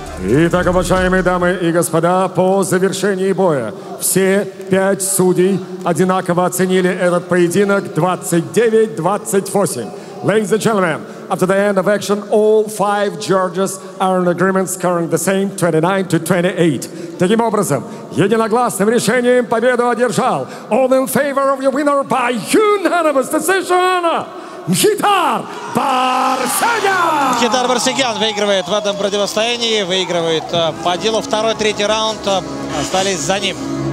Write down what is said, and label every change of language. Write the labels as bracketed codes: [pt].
[ru] Итак, уважаемые дамы и господа, по завершении боя все 5 судей одинаково оценили этот поединок 29-28. [en] Ladies and gentlemen, after the end of action, all 5 judges are in agreement, scoring the same 29-28. [ru] Таким образом, единогласным решением победу одержал [en] all in favor of your winner by unanimous decision... [ru] Мхитар Барсегян! Мхитар Барсегян выигрывает в этом противостоянии, выигрывает по делу второй, третий раунд, остались за ним.